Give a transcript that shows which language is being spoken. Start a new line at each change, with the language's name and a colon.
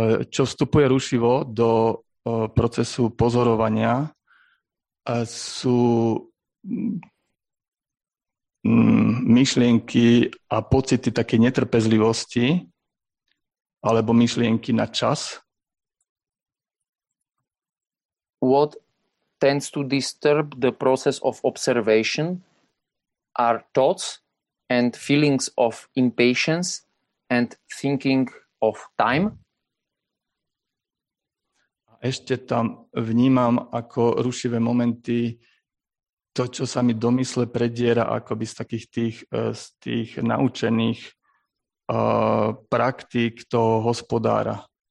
Slovak: Čo vstupuje rušivo do procesu pozorovania, sú myšlienky a pocity také netrpezlivosti alebo myšlienky na čas.
English: What tends to disturb the process of observation are thoughts and feelings of impatience and thinking of time.
Slovak: A ešte tam vnímam ako rušivé momenty to, čo sa mi do mysle prediera akoby z takých tých, z tých naučených praktík toho hospodára.